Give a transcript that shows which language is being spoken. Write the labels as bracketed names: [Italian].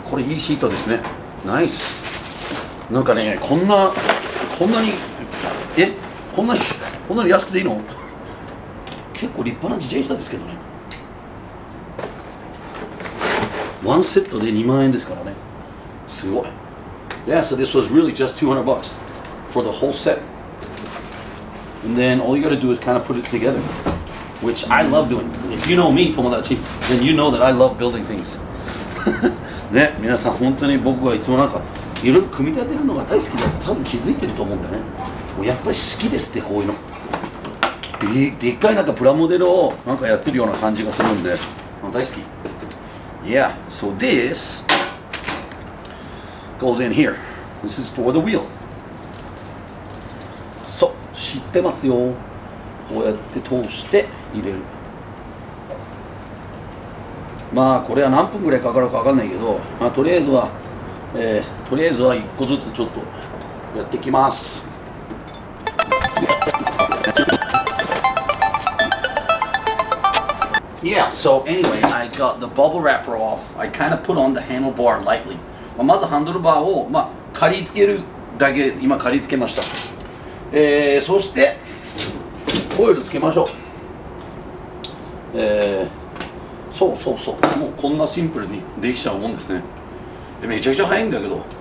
[Japanese] これいいシートですね。ナイス。なんかね、こんなに安くていいの？結構立派な自転車ですけどね。ワンセットで2万円ですからね。すごい。 [English] Yeah, so this was really just $200 for the whole set. And then all you gotta do is kind of put it together, which I love doing. If you know me, Tomodachi, then you know that I love building things. [Japanese] ね、皆さん本当に僕はいつもなんかいろいろ組み立てるのが大好きだって多分気づいてると思うんだね。もうやっぱり好きですってこういうの。でっかいなんかプラモデルをなんかやってるような感じがするんで、大好き。 [English] Yeah, so this goes in here. This is for the wheel. [Japanese] 知ってますよ。こうやって通して入れる。まあこれは何分ぐらいかかるかわかんないけど、まあ、とりあえずはとりあえずは1個ずつちょっとやっていきます。 [English] Yeah, so anyway, I got the bubble wrapper off. I kind of put on the handlebar lightly. [Japanese] ま, まずハンドルバーを、まあ、刈り付けるだけ、今刈り付けました。そして、オイルつけましょう。そうそうそう。もうこんなシンプルにできちゃうもんですね。めちゃくちゃ早いんだけど。